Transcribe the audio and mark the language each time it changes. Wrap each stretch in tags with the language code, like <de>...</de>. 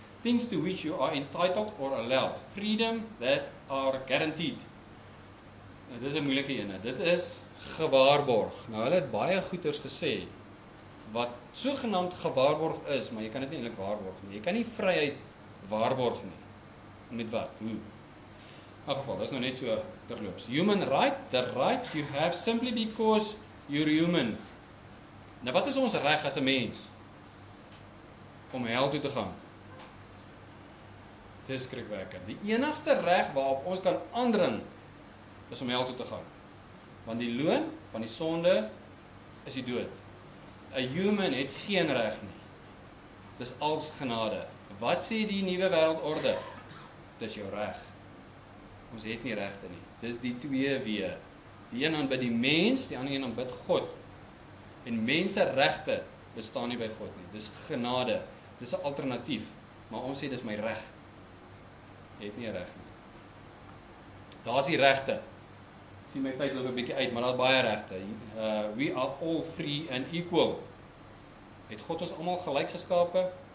<en>Things to which you are entitled or allowed, freedom that are guaranteed.</en> <af>Dit is 'n moeilike ene, dit is gewaarborg. Nou, hulle het baie goeders gesê, wat sogenaamd gewaarborg is, maar jy kan dit nie eintlik waarborg nie. Jy kan nie vryheid waarborg nie. Met wat? Hoe? In elk geval, dit is nou net so terloops.</af> <en>Human right, the right you have simply because you're human.</en> <af>Nou wat is ons reg as 'n mens om hel toe te gaan? Dis skrikwekkend. Die enigste reg waarop ons kan aandring is om hel toe te gaan. Want die loon van die sonde is die dood.</af> <en>A human</en> <af>het geen reg nie. Dis als genade. Wat sê die nuwe wêreldorde? Dis jou reg. Ons het nie regte nie. Dis die twee weë. Die een aanbid die mens, die ander een aanbid God. En mense regte bestaan nie by God nie. Dis genade. Dis 'n alternatief. Maar ons sê dis my reg. het nie reg nie. Daar is die regte. Sien my tyd loop 'n bietjie uit, maar daar is baie regte.</af> <en>We are all free and equal.</en> <af>Het God ons allemaal gelijk geskape?</af>